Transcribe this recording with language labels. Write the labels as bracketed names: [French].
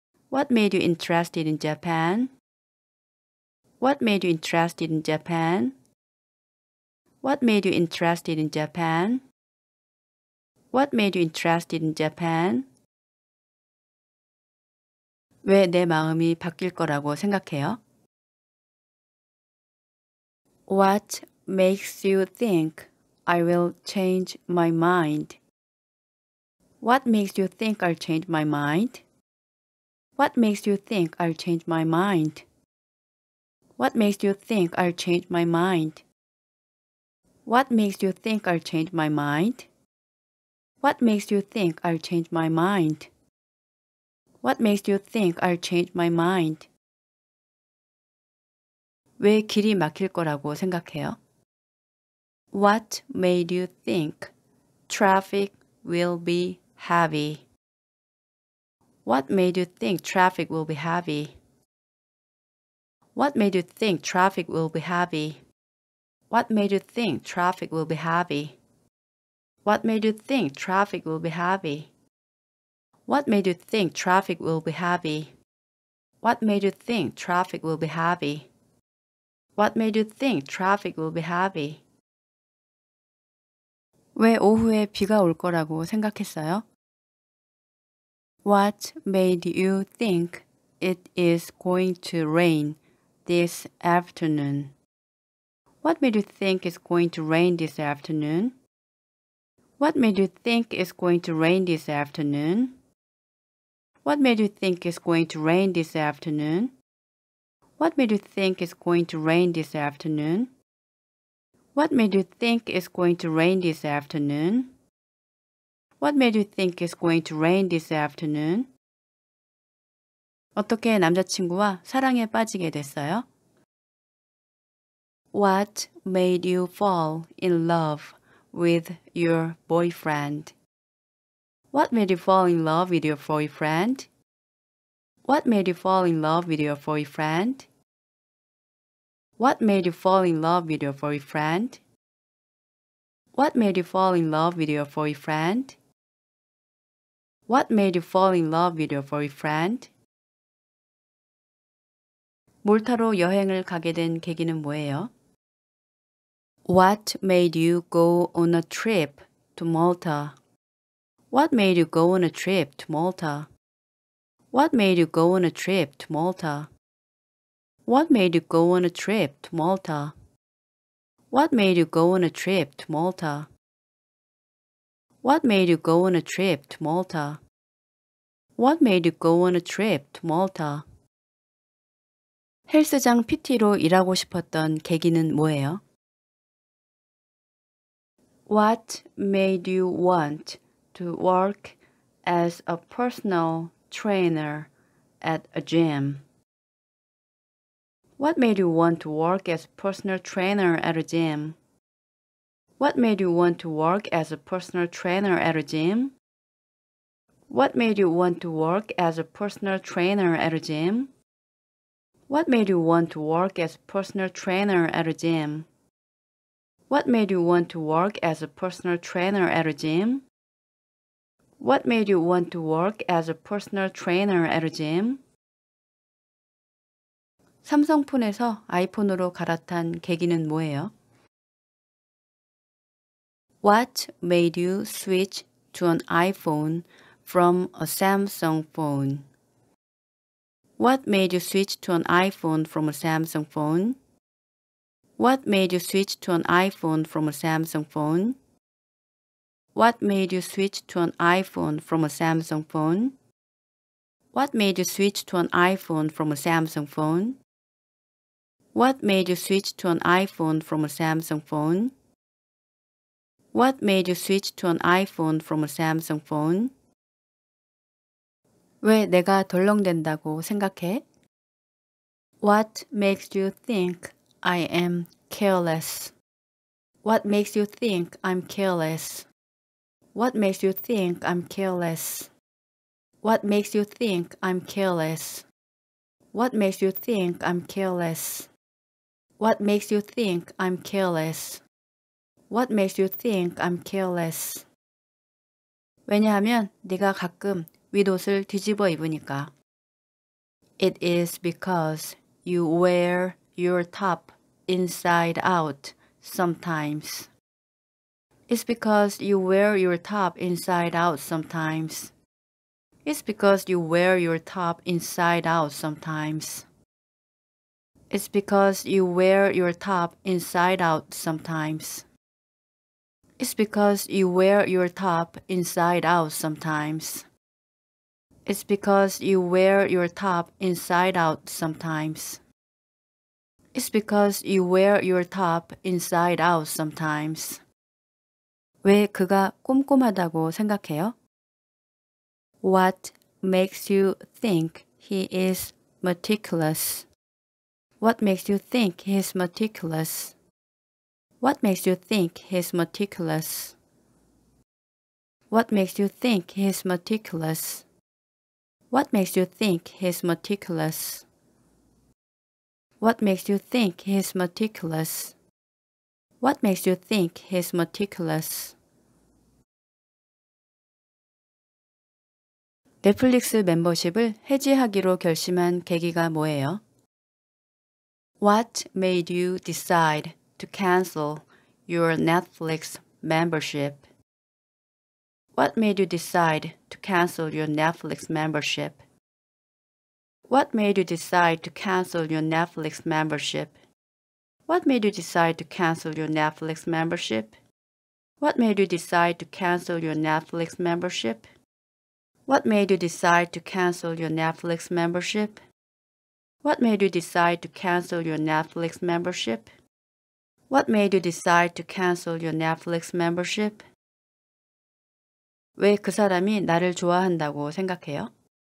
[English] What made you interested in Japan? What made you interested in Japan? What made you interested in Japan? What made you interested in Japan? [Korean] 왜 내 마음이 바뀔 거라고 생각해요? [English] What makes you think I will change my mind? What makes you think I'll change my mind? What makes you think I'll change my mind? What makes you think I'll change my mind? What makes you think I'll change my mind? What makes you think I'll change my mind? What makes you think I'll change my mind? [Korean] 왜 길이 막힐 거라고 생각해요? [English] What made you think traffic will be heavy? What made you think traffic will be heavy? What made you think traffic will be heavy? What made you think traffic will be heavy? What made you think traffic will be heavy? What made you think traffic will be heavy? What made you think traffic will be heavy? What made you think traffic will be heavy? [Korean] 왜 오후에 비가 올 거라고 생각했어요? [English] What made you think it is going to rain this afternoon? What made you think it's going to rain this afternoon? What made you think it's going to rain this afternoon? What made you think it's going to rain this afternoon? What made you think it's going to rain this afternoon? What made you think it's going to rain this afternoon? What made you think it's going to rain this afternoon? [Korean] 어떻게 남자친구와 사랑에 빠지게 됐어요? [English] What made you fall in love with your boyfriend? What made you fall in love with your boyfriend? What made you fall in love with your boyfriend? What made you fall in love with your boyfriend? What made you fall in love with your boyfriend? What made you fall in love with your boyfriend? [Korean] 몰타로 여행을 가게 된 계기는 뭐예요? [English] What made you go on a trip to Malta? What made you go on a trip to Malta? What made you go on a trip to Malta? What made you go on a trip to Malta? What made you go on a trip to Malta? What made you go on a trip to Malta? What made you go on a trip to Malta? [Korean] 헬스장 PT로 일하고 싶었던 계기는 뭐예요? [English] What made you want to work as a personal trainer at a gym? What made you want to work as a personal trainer at a gym? What made you want to work as a personal trainer at a gym? What made you want to work as a personal trainer at a gym? What made you want to work as a personal trainer at a gym? What made you want to work as a personal trainer at a gym? What made you want to work as a personal trainer at a gym? [Korean] 삼성폰에서 아이폰으로 갈아탄 계기는 뭐예요? [English] What made you switch to an iPhone from a Samsung phone? What made you switch to an iPhone from a Samsung phone? What made you switch to an iPhone from a Samsung phone? What made you switch to an iPhone from a Samsung phone? What made you switch to an iPhone from a Samsung phone? What made you switch to an iPhone from a Samsung phone? What made you switch to an iPhone from a Samsung phone? [Korean] 왜 내가 덜렁댄다고 생각해? [English] What makes you think I am careless? What makes you think I'm careless? What makes you think I'm careless? What makes you think I'm careless? What makes you think I'm careless? What makes you think I'm careless? What makes you think I'm careless? [Korean] 왜냐하면 네가 가끔 윗옷을 뒤집어 입으니까. [English] It is because you wear your top inside out sometimes. It's because you wear your top inside out sometimes. It's because you wear your top inside out sometimes. It's because you wear your top inside out sometimes. It's because you wear your top inside out sometimes. It's because you wear your top inside out sometimes. It's because you wear your top inside out sometimes. [Korean] 왜 그가 꼼꼼하다고 생각해요? [English] What makes you think he is meticulous? What makes you think he is meticulous? What makes you think he is meticulous? What makes you think he is meticulous? What makes you think he is meticulous? What makes you think he is meticulous? What makes you think he's meticulous? [Korean] 넷플릭스 멤버십을 해지하기로 결심한 계기가 뭐예요? [English] What made you decide to cancel your Netflix membership? What made you decide to cancel your Netflix membership? What made you decide to cancel your Netflix membership? What made you decide to cancel your Netflix membership? What made you decide to cancel your Netflix membership? What made you decide to cancel your Netflix membership? What made you decide to cancel your Netflix membership? What made you decide to cancel your Netflix membership? [Korean] 왜 그 사람이 나를 좋아한다고 생각해요?